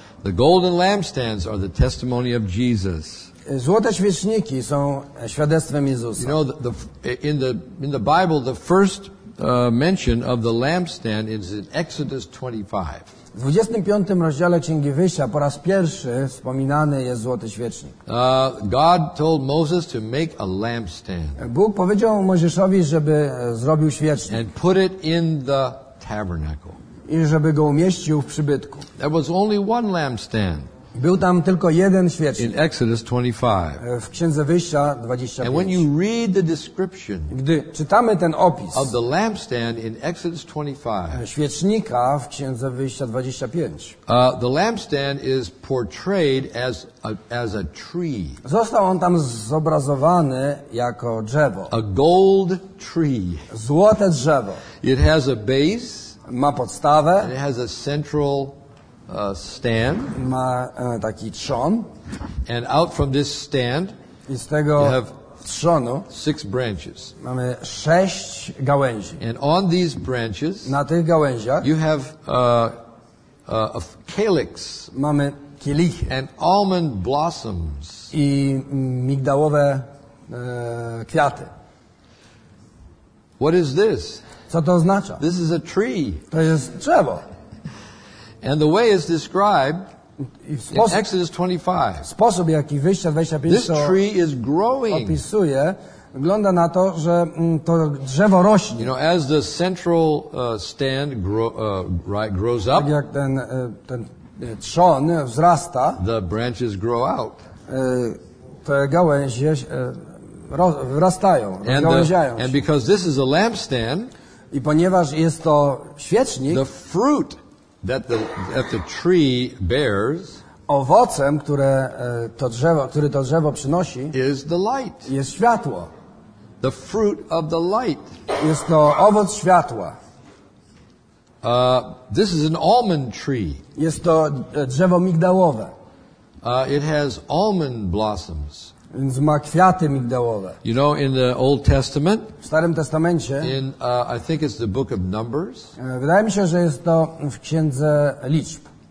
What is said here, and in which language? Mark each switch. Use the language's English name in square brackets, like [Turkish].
[English] The golden lampstands are the testimony of Jesus. [Polish] Złote świeczniki są świadectwem Jezusa. [English] You know, in the Bible, the first mention of the lampstand is in Exodus 25. [Polish] W 25 rozdziale Księgi Wyjścia po raz pierwszy wspominany jest złoty świecznik. [English] God told Moses to make a lampstand. [Polish] Bóg powiedział Mojżeszowi, żeby zrobił świecznik. [English] And put it in the tabernacle. [Polish] I żeby go umieścił w przybytku. [English] There was only one lampstand. [Polish] Był tam tylko jeden świecznik. [English] In Exodus 25. [Polish] W Księdze Wyjścia 25. [English] And when you read the description, [Polish] gdy czytamy ten opis [English] of the lampstand in Exodus 25, [Polish] świecznika w Księdze Wyjścia 25, [English] the lampstand is portrayed as a tree. [Polish] Został on tam zobrazowany jako drzewo. [English] A gold tree. [Polish] Złote drzewo. [English] It has a base. [Polish] Ma podstawę. [English] It has a central stand. [Polish] Ma taki trzon. [English] And out from this stand, [Polish] i z tego [English] you have [Polish] trzonu [English] 6 branches. [Polish] Mamy 6 gałęzi. [English] And on these branches, [Polish] na tych gałęziach, [English] you have a calyx. [Polish] Mamy kielichy. [English] And almond blossoms. [Polish] I migdałowe kwiaty. [English] What is this? [Polish] Co to oznacza? [English] This is a tree. [Polish] To jest drzewo. [English] And the way it's described in Exodus 25. [Polish] Sposób, jaki Wyjścia 25 [English] this tree is growing. [Polish] Opisuje, wygląda na to, że to drzewo rośnie. [English] You know, as the central stand grows up, [Polish] tak jak ten trzon wzrasta, [English] the branches grow out. [Polish] Te gałęzie wyrastają, rozgałęziają [English] się. And because this is a lampstand, [Polish] i ponieważ jest to świecznik, [English] the fruit that the tree bears, [Polish] owocem, które to drzewo, który to drzewo przynosi, [English] is the light. [Polish] Jest światło. [English] The fruit of the light. [Polish] Jest to owoc światła. [English] This is an almond tree. [Polish] Jest to drzewo migdałowe. [English] It has almond blossoms. [Polish] Więc ma kwiaty migdałowe. [English] You know, in the Old Testament, [Polish] w Starym Testamencie, [English] in, I think it's the book of Numbers, [Polish] wydaje mi się, że jest to w Księdze Liczb.